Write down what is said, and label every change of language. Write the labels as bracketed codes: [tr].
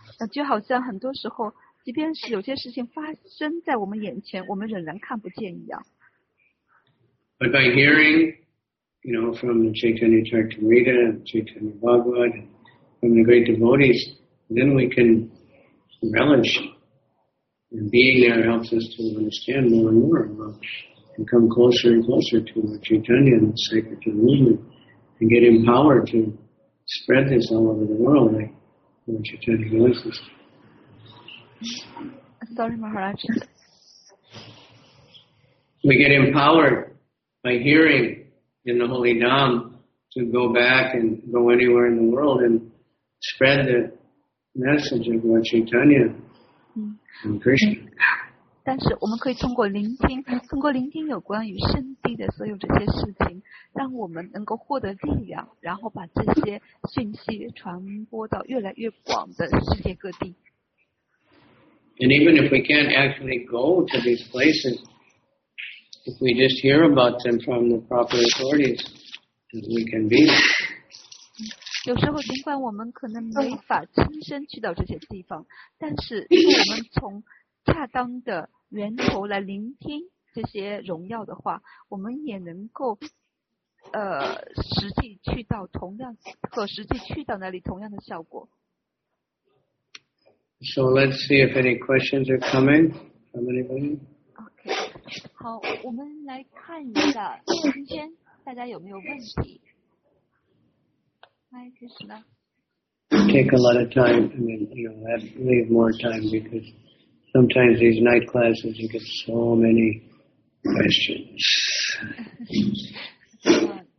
[zh] 就好像很多时候，即便是有些事情发生在我们眼前，我们仍然看不见一样。 [en] But by hearing, you know, from the Chaitanya Charitamrita, Chaitanya Bhagavad, from the great devotees, then we can relish. And being there helps us to understand more and more about. And come closer and closer to the Chaitanya and the sacred movement, and get empowered to spread this all over the world, like the Chaitanya voices. Sorry, Maharaj. We get empowered by hearing in the Holy Dham to go back and go anywhere in the world and spread the message of the Chaitanya and Krishna. [zh] 但是我们可以通过聆听，通过聆听有关于圣地的所有这些事情，让我们能够获得力量，然后把这些讯息传播到越来越广的世界各地。 [en] And even if we can't actually go to these places, if we just hear about them from the proper authorities, we can be. [zh] 有时候尽管我们可能没法亲身去到这些地方，但是如果我们从恰当的源头来聆听这些荣耀的话，我们也能够实际去到同样和实际去到那里同样的效果。 [en] So let's see if any questions are coming from anybody. Okay. [zh] 好，我们来看一下今天大家有没有问题。 [en] Hi, Krishna. Take a lot of time. I mean, you know, leave more time because. Sometimes these night classes, you get so many questions.